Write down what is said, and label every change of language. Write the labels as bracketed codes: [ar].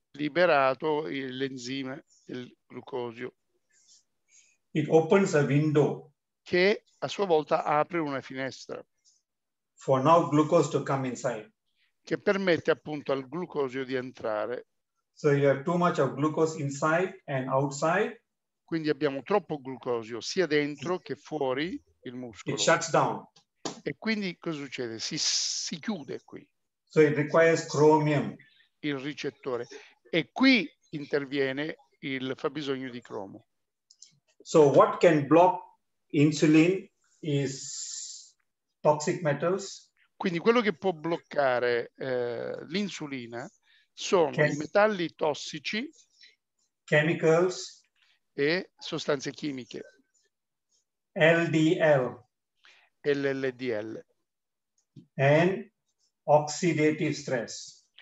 [it] Liberato l'enzima del glucosio. [en] It opens a window. [it] Che a sua volta apre una finestra. [en] For now glucose to come inside. [it] Che permette appunto al glucosio di entrare. [en] So you have too much of glucose inside and outside. [it] Quindi abbiamo troppo glucosio sia dentro che fuori il muscolo. [en] It shuts down. [it] E quindi cosa succede? Si chiude qui. [en] So it requires chromium. [it] Il ricettore. E qui interviene il fabbisogno di cromo. [en] So what can block insulin is toxic metals. [it] Quindi quello che può bloccare l'insulina sono i metalli tossici, [en] chemicals [it] e sostanze chimiche. LDL. LLDL. [en] And oxidative stress.